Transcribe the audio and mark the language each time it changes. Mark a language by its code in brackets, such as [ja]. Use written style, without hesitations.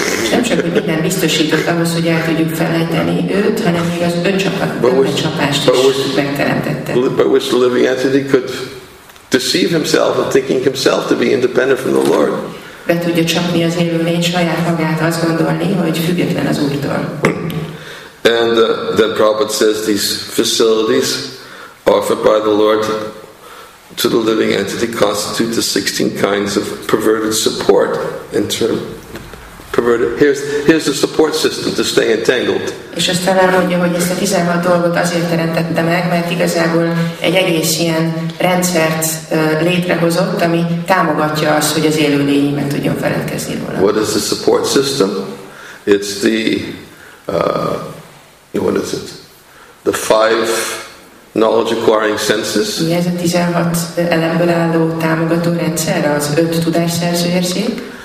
[hu] Nem csak hogy minden biztosított ahhoz, hogy el tudjuk felejteni őt, hanem még az öncsapást is megteremtette. [en] By which the living entity could deceive himself of thinking himself to be independent from the Lord. [hu] Be tudja csapni az élőlény saját magát azt gondolni, hogy független az Úrtól. [en] And then Prabhupada says these facilities offered by the Lord to the living entity constitute the 16 kinds of perverted support in term perverted. Here's the support system to stay entangled. [hu] És aztán elmondja, hogy ezt a 16 dolgot azért teremtette meg, mert igazából egy egész ilyen rendszert létrehozott, ami támogatja azt, hogy az élőlény meg tudjon feledkezni róla. [en] What is the support system? It's the what is it? The five knowledge acquiring senses. [hu] Mi ez a 16 elemből álló támogató rendszer, az öt tudásszerző érzék?